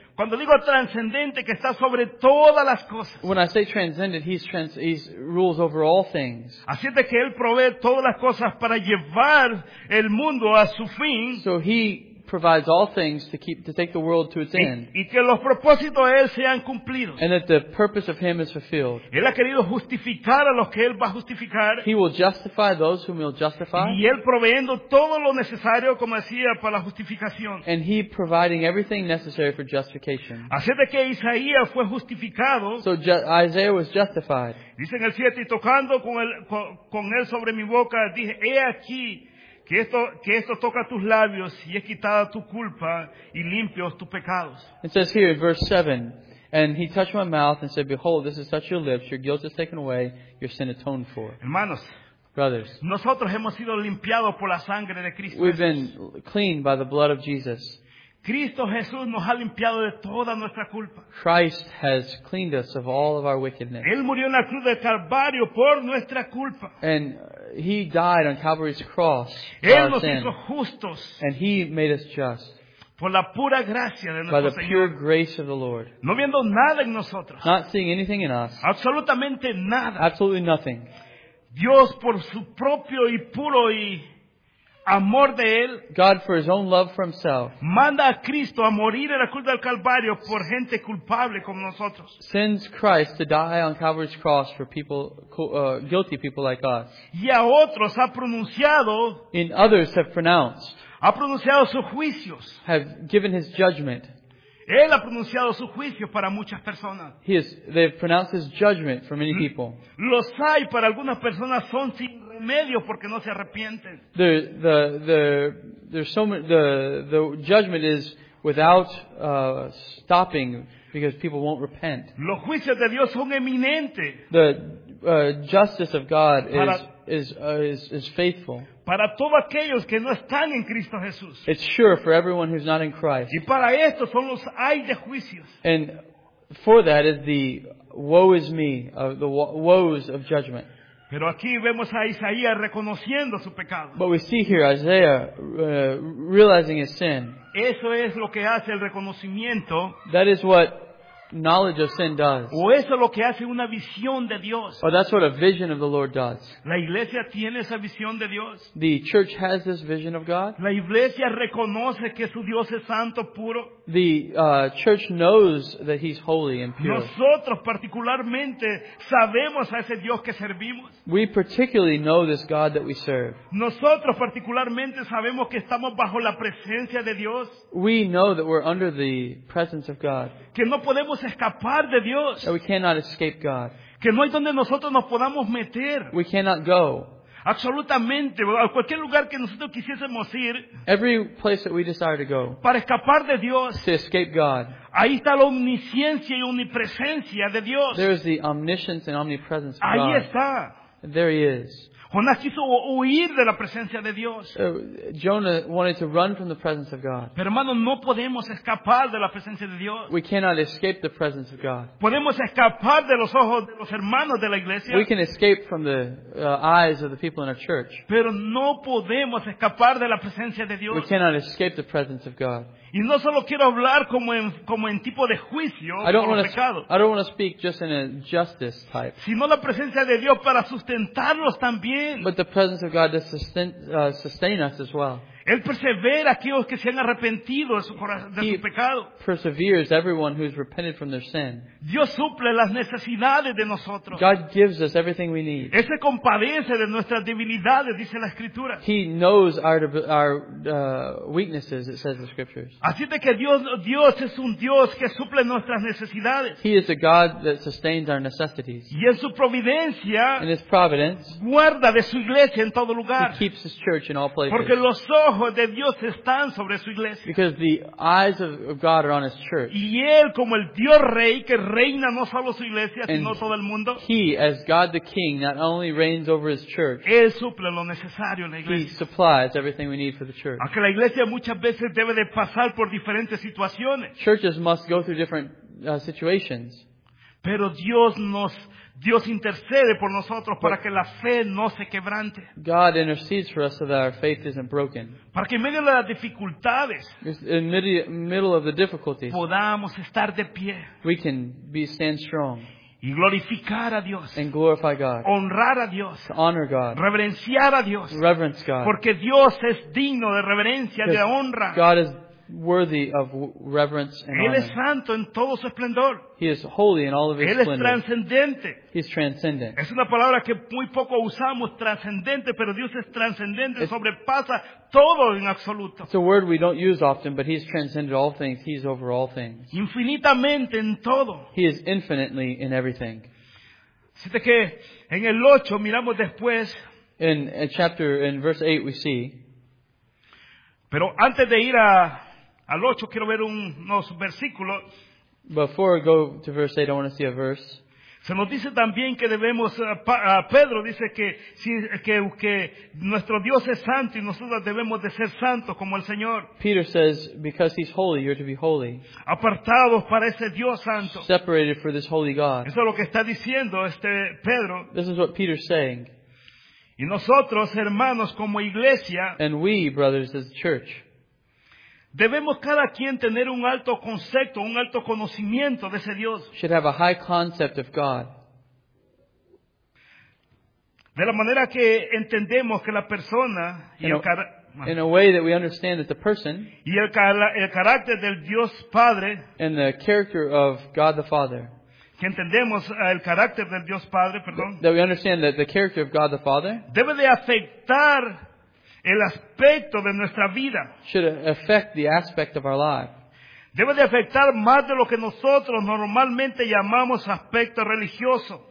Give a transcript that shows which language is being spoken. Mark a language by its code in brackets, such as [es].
[es] Cuando digo transcendente, que está sobre todas las cosas. [en] When I say transcendent, he rules over all things. [es] Así es de que él provee todas las cosas para llevar el mundo a su fin. [en] So he provides all things to keep to take the world to its end. [es] Y que los propósitos de él sean cumplidos. [en] And that the purpose of him is fulfilled. [es] Él ha querido justificar a los que él va a justificar. [en] He will justify those whom he'll justify. [es] Y él proveyendo todo lo necesario, como decía, para la justificación. [en] And he providing everything necessary for justification. [es] Así de que Isaías fue justificado. [en] So Isaiah was justified. [es] Dice en el 7, y tocando con él sobre mi boca, dije, he aquí, Que esto toca tus labios y es quitada tu culpa y limpios tus pecados. [en] It says here in verse 7, and he touched my mouth and said, behold, this has touched your lips, your guilt is taken away, your sin atoned for. [es] Hermanos, [en] brothers, [es] nosotros hemos sido limpiados por la sangre de Cristo. [en] We've been cleaned by the blood of Jesus. [es] Cristo Jesús nos ha limpiado de toda nuestra culpa. [en] Christ has cleaned us of all of our wickedness. [es] Él murió en la cruz del Calvario por nuestra culpa. [en] And he died on Calvary's cross for [es] Él nos [en] our sin. [es] Hizo justos. [en] And he made us just. [es] Por la pura gracia de nuestro [en] Señor. By the [es] Señor. [en] Pure grace of the Lord. [es] No viendo nada en nosotros. [en] Not seeing anything in us. [es] Absolutamente nada. [en] Absolutely nothing. [es] Dios por su propio y puro y amor de él, [en] God for his own love for himself. [es] Manda a Cristo a morir en la cruz del Calvario por gente culpable como nosotros. [en] Sends Christ to die on Calvary's cross for people, guilty people like us. [es] Y a otros ha pronunciado, [en] in others have pronounced, [es] ha pronunciado sus juicios, [en] have given his judgment. [es] Él ha pronunciado su juicio para muchas personas. [en] They've pronounced his judgment for many people. [es] Los hay para algunas personas son sin remedio porque no se arrepienten. [en] The judgment is without stopping because people won't repent. [es] Los juicios de Dios son eminentes. [en] The justice of God is faithful. [es] Para todos aquellos que no están en Cristo Jesús. [en] It's sure for everyone who's not in Christ. [es] Y para esto son los ay de juicios. [en] And for that is the woe is me, the woes of judgment. [es] Pero aquí vemos a Isaías reconociendo su pecado. [en] But we see here Isaiah realizing his sin. [es] Eso es lo que hace el reconocimiento. [en] That is what knowledge of sin does. [es] O eso es lo que hace una visión de Dios. [en] Or that's what a vision of the Lord does. [es] La iglesia tiene esa visión de Dios. [en] The church has this vision of God. [es] La iglesia reconoce que su Dios es santo, puro. [en] The church knows that he's holy and pure. [es] Nosotros particularmente sabemos a ese Dios que servimos. [en] We particularly know this God that we serve. [es] Nosotros particularmente sabemos que estamos bajo la presencia de Dios. [en] We know that we're under the presence of God. [es] Que no podemos escapar de Dios. [en] That we cannot escape God. [es] Que no hay donde nosotros nos podamos meter. [en] We cannot go. [es] Absolutamente, a cualquier lugar que nosotros quisiésemos ir. [en] Every place that we desire to go. [es] Para escapar de Dios. [en] To escape God. [es] Ahí está la omnisciencia y omnipresencia de Dios. [en] There is the omniscience and omnipresence of [es] Ahí [en] God. [es] Ahí está. [en] There he is. [es] Jonás quiso huir de la presencia de Dios. [en] Jonah wanted to run from the presence of God. [es] Pero hermano, no podemos escapar de la presencia de Dios. [en] We cannot escape the presence of God. [es] Podemos escapar de los ojos de los hermanos de la iglesia. [en] We can escape from the eyes of the people in our church. [es] Pero no podemos escapar de la presencia de Dios. [en] We cannot escape the presence of God. [es] Y no solo quiero hablar como en tipo de juicio por el pecado. [en] I don't want to speak just in a justice type. [es] Sino la presencia de Dios para sustentarlos también. también. [en] But the presence of God does sustain us as well. [es] Él persevera a aquellos que se han arrepentido de su pecado. [en] He perseveres everyone who has repented from their sin. [es] Dios suple las necesidades de nosotros. [en] God gives us everything we need. [es] Él se compadece de nuestras debilidades, dice la Escritura. [en] He knows our weaknesses, it says the Scriptures. [es] Así de que Dios es un Dios que suple nuestras necesidades. [en] He is a God that sustains our necessities. [es] Y en su providencia, [en] in His providence, [es] guarda de su iglesia en todo lugar. [en] He keeps His church in all places. [es] Porque los ojos de Dios están sobre su iglesia. [en] Because the eyes of God are on His church. [es] Y Él como el Dios Rey que reina no solo su iglesia sino todo el mundo. [en] He, as God the King, not only reigns over His church. [es] Él suple lo necesario en la iglesia. [en] He supplies everything we need for the church. [es] Aunque la iglesia muchas veces debe de pasar por diferentes situaciones. [en] Churches must go through different situations. [es] Pero Dios intercede por nosotros para que la fe no se quebrante. [en] God intercedes for us so that our faith isn't broken. [es] Para que en medio de las dificultades, [en] in the middle of the difficulties, [es] podamos estar de pie. [en] We can stand strong. [es] Y glorificar a Dios. [en] And glorify God. [es] Honrar a Dios. [en] To honor God. [es] Reverenciar a Dios. [en] Reverence God. [es] Porque Dios es digno de reverencia, de honra. [en] God is worthy of reverence and honor. [es] Él es santo en todo su esplendor. [en] He is holy in all of His [es] Él [en] splendor. [es] Es transcendente. [en] He is transcendent. [es] Es una palabra que muy poco usamos, transcendente, pero Dios es transcendente, sobrepasa todo en absoluto. [en] It's a word we don't use often, but He has transcended all things. He is over all things. [es] Infinitamente en todo. [en] He is infinitely in everything. [es] Así que en el 8 miramos después. [en] In verse 8 we see. [es] Pero antes de ir al 8, quiero ver unos versículos. [en] Before I go to verse 8, I want to see a verse. [es] Se nos dice también que debemos, Pedro dice que nuestro Dios es santo y nosotros debemos de ser santos como el Señor. [en] Peter says, because He's holy, you're to be holy. [es] Apartados para ese Dios santo. [en] Separated for this holy God. [es] Eso es lo que está diciendo Pedro. [en] This is what Peter's saying. [es] Y nosotros, hermanos, como iglesia, [en] and we, brothers, as church, [es] debemos cada quien tener un alto concepto, un alto conocimiento de ese Dios. [en] Should have a high concept of God. [es] De la manera que entendemos que la persona [en] in a way that we understand that the person [es] y el carácter del Dios Padre [en] and the character of God the Father. [es] Que entendemos el carácter del Dios Padre, perdón. [en] That we understand that the character of God the Father [es] debe de afectar el aspecto de nuestra vida. [en] Should affect the aspect of our life. [es] Debe de afectar más de lo que nosotros normalmente llamamos aspecto religioso.